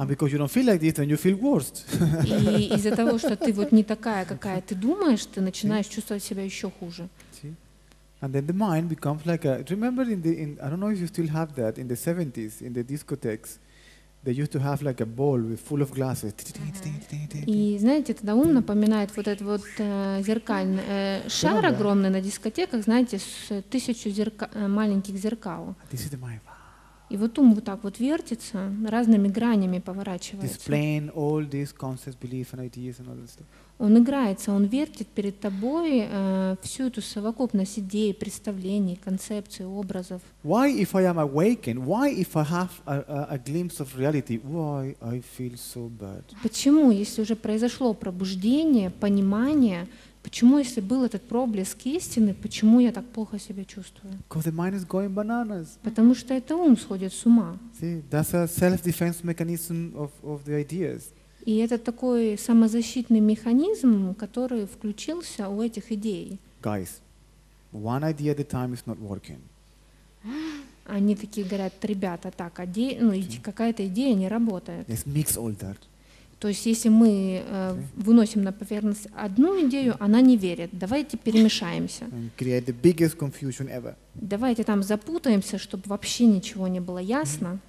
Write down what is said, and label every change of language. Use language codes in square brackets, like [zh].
[en] And because you don't feel like this, then you feel worse. [ru] И из-за того, что ты вот не такая, какая ты думаешь, ты начинаешь [en] See? [ru] Чувствовать себя еще хуже. [en] See? And then the mind becomes like a. Remember in I don't know if you still have that in the 70s in the discotheques. They used to have like a ball with full of glasses. [ru] И знаете, тогда ум напоминает вот этот вот зеркальный шар огромный на дискотеках, знаете, с тысячу маленьких зеркал. [en] This is the mind. [ru] И вот ум вот так вот вертится, разными гранями поворачивается. Он играется, он вертит перед тобой всю эту совокупность идей, представлений, концепций, образов. [en] Why if I am awakened? Why if I have a glimpse of reality? Why I feel so bad? [ru] Почему, если уже произошло пробуждение, понимание, почему, если был этот проблеск истины, почему я так плохо себя чувствую? [en] Because the mind is going bananas. [ru] Потому что это ум сходит с ума. [en] See, that's a self-defense mechanism of the ideas. [ru] И это такой самозащитный механизм, который включился у этих идей. [en] Guys, one idea at a time is not working. [ru] Они такие говорят, ребята, так, какая-то идея не работает. [en] Let's mix all that. [ru] То есть, если мы выносим на поверхность одну идею, она не верит. Давайте перемешаемся. [en] Create the biggest confusion ever. [ru] Давайте там запутаемся, чтобы вообще ничего не было ясно.